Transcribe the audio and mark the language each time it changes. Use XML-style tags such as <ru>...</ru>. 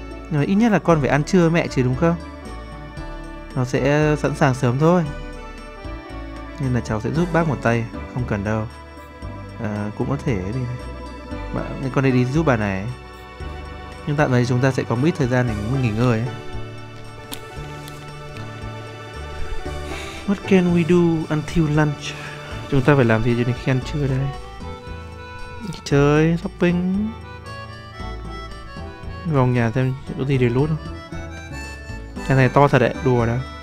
<vi>Nhưng mà ít nhất là con phải ăn trưa với mẹ chứ đúng không? Nó sẽ sẵn sàng sớm thôi. Nên là cháu sẽ giúp bác một tay. Không cần đâu. Cũng có thể đi. Mà con đi giúp bà này. Nhưng tạm thời chúng ta sẽ có một ít thời gian để nghỉ ngơi.</vi> <en>What can we do until lunch?</en> <vi>Chúng ta phải làm gì cho đến khi ăn trưa đây? Chơi, shopping. Vòng nhà xem có gì để lút không? Cái này to thật đấy, đùa đó.</vi>